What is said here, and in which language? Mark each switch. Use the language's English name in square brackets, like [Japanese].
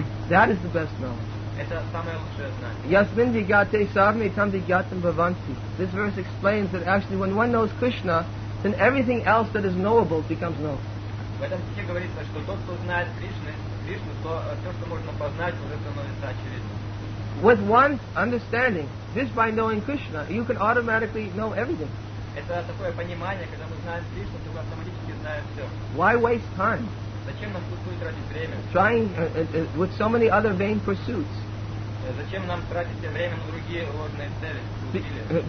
[English] That is the best knowledge. This verse explains that actually when one knows Krishna, then everything else that is knowable becomes known. [Russian] В этом стихе говорится, что тот, кто знает Кришну, то все, что можно познать, уже становится очевидным. [English] With one understanding, just by knowing Krishna, you can automatically know everything. [Russian] Это такое понимание, когда мы знаем Кришну, то мы автоматически знаем все. [English] Why waste time? [Russian] Зачем нам тут будет тратить время? [English] Trying with so many other vain pursuits. [Russian] Зачем нам тратить время на другие ложные цели?